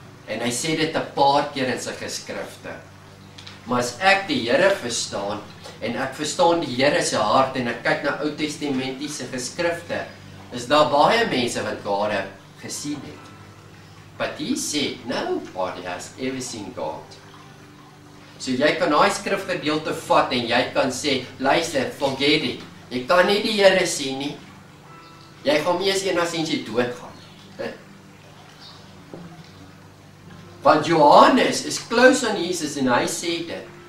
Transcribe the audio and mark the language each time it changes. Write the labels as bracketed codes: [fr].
[af] En hy sê dit 'n paar keer in sy geskrifte. Maar as ek die Here verstaan en ek verstaan die Here se hart en ek kyk na Ou Testamentiese geskrifte, is daar baie mense wat God gesien het. [en] But he said, nobody has ever seen God. [af] So jy kan daai skrifgedeelte vat en jy kan sê, luister, [en] forget it. [af] Jy kan nie die Here sien nie. Jy gaan eers enigsins dood gaan. Want Johannes is close aan Jesus en hy sê dit.